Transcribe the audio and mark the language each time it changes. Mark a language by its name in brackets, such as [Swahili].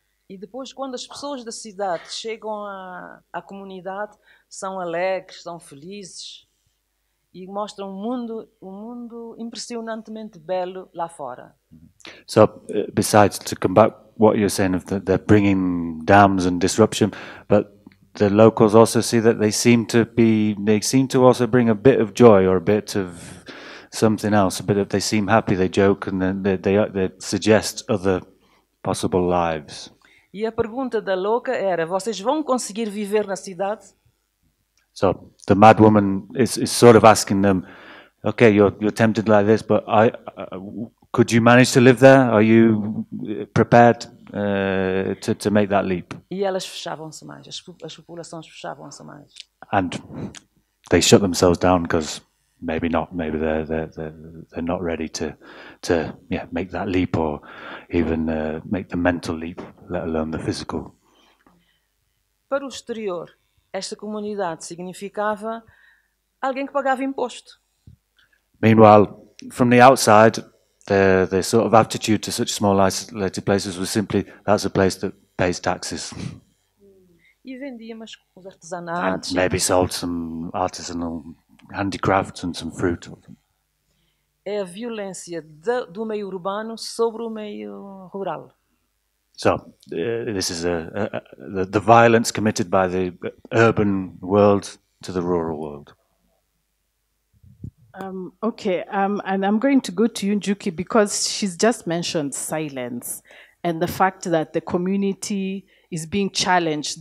[Portuguese] E depois, quando as pessoas da cidade chegam à comunidade, são alegres, são felizes e mostram um mundo impressionantemente belo lá fora. [English] So, besides to combat what you're saying of the bringing dams and disruption, but the locals also see that they seem to also bring a bit of joy or a bit of something else, but they seem happy, they joke, and then they suggest other possible lives. [Portuguese] E a pergunta da louca era, vocês vão conseguir viver na cidade? [English] So the mad woman is sort of asking them, okay, you're tempted like this, but could you manage to live there? Are you prepared to make that leap? [Portuguese] E elas fechavam-se mais, as populações fechavam-se mais. [English] And they shut themselves down because maybe not, maybe they're not ready to make that leap or even make the mental leap, let alone the physical. [Portuguese] Para o exterior, esta comunidade significava alguém que pagava imposto. [English] Meanwhile, from the outside, the sort of attitude to such small isolated places was simply, that's a place that pays taxes. [Portuguese] E vendia umas coisas artesanais. [English] Maybe sold some artisanal handicrafts and some fruit. [Portuguese] É a violência do meio urbano sobre o meio rural. [English] So, this is the violence committed by the urban world to the rural world. And I'm going to go to you, Njuki, because she's just mentioned silence and the fact that the community is being challenged.